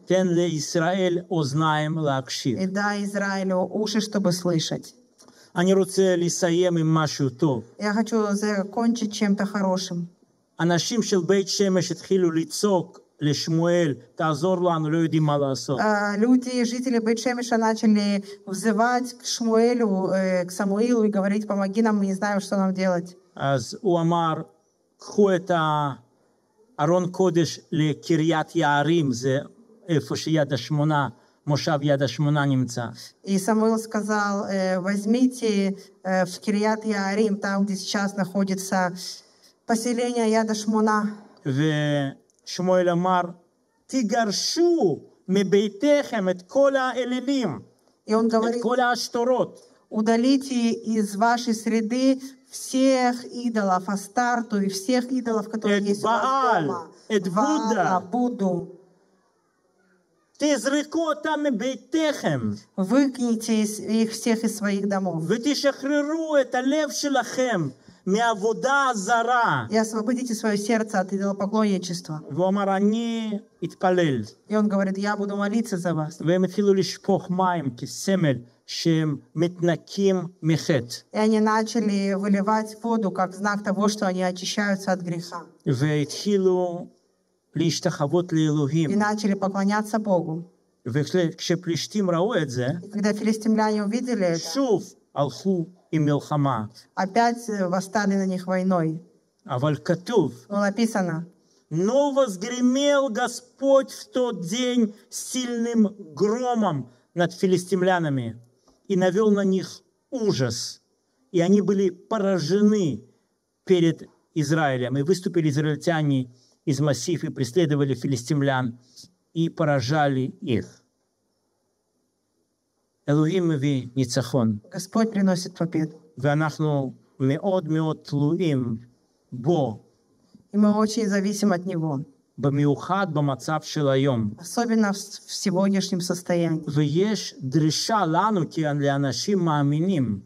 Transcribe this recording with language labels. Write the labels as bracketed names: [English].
[Hebrew] תן לישראל אוזניים להקשיב. [Russian] И дай Израилю уши, чтобы слышать. [Hebrew] אני רוצה לסיים עם משהו טוב. [Russian] Я хочу закончить чем-то хорошим. [Hebrew] אנשים של בית שמש התחילו לצעוק לשמואל, תעזור לנו, לא יודעים מה לעשות. [Russian] Люди, жители בית שמשה, начали взывать к Шмуэлю, к Самуилу и говорить, помоги нам, мы не знаем, что нам делать. [Hebrew] אז הוא אמר, קחו את ארון קודש לקריית יערים, זה איפה שיד השמונה, מושב יד השמונה נמצא. [Russian] И Самуил сказал, возьмите в Кирьят Яарим, там, где сейчас находится поселение Яд Ашмона. [Hebrew] ושמואל אמר, תגרשו מביתכם את כל האלילים, את כל השטורות. [Russian] Удалите из вашей среды всех идолов, Астарту и всех идолов, которые есть у вас дома. [Hebrew] Эт Будда. [Russian] Будду. [Hebrew] תזרקו אותם מביתכם. [Russian] Выкните их всех из своих домов. [Hebrew] ותשחררו את הלב שלכם מעבודה זרה. [Russian] И освободите свое сердце от идолопоклонничества. [Hebrew] והוא אמר, אני אתפלל. [Russian] И он говорит, я буду молиться за вас. [Hebrew] והם התחילו לשפוך מים כסמל שהם מתנקים מחט. [Russian] И они начали выливать воду как знак того, что они очищаются от греха. [Hebrew] והתחילו להשתחוות לאלוהים. [Russian] И начали поклоняться Богу. [Hebrew] וכשפלישתים ראו את זה, [Russian] когда филистимляне увидели это, [Hebrew] שוב הלכו עם מלחמה. [Russian] Опять восстали на них войной. [Hebrew] אבל כתוב, [Russian] но написано, но возгремел Господь в тот день сильным громом над филистимлянами и навел на них ужас. И они были поражены перед Израилем. И выступили израильтяне из Масив и преследовали филистимлян и поражали их. [Hebrew] Элохим ви ницахон. [Russian] Господь приносит победу. [Hebrew] ואנחנו מאוד מאוד תלויים בו. [Russian] И мы очень зависим от Него. [Hebrew] במיוחד במצב של היום. [Russian] особенно в сегодняшнем состоянии. [Hebrew] ויש דרישה לנו כי לאנשים מאמינים.